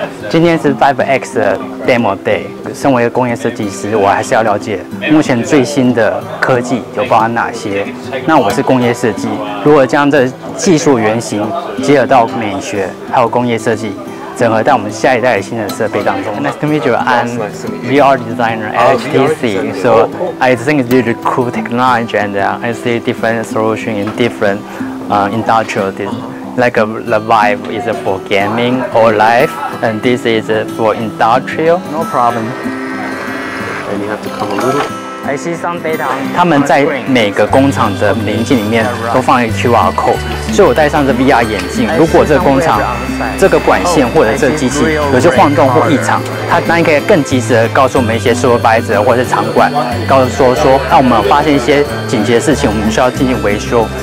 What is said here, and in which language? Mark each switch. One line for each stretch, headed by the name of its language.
Chinese: 今天是 5X 的 Demo Day， 身为一个工业设计师，我还是要了解目前最新的科技有包含哪些。那我是工业设计，如果将这技术原型结合到美学还有工业设计，整合在我们下一代的新的设备当中。
English: Nice to meet you. I'm VR designer at HTC. So I think it's really cool technology, and I see different solution in different industrial. Like the vibe is for gaming or life, and this is for industrial. No problem. And you have to come a little. I see some data.
Chinese: 他们在每个工厂的临近里面都放一个 QR code， 所以我戴上这 VR 眼镜，如果这个工厂这个管线或者这个机器有些晃动或异常，它当然可以更及时的告诉我们一些 supervisor 或者是场馆，告诉说，那我们发现一些紧急的事情，我们需要进行维修。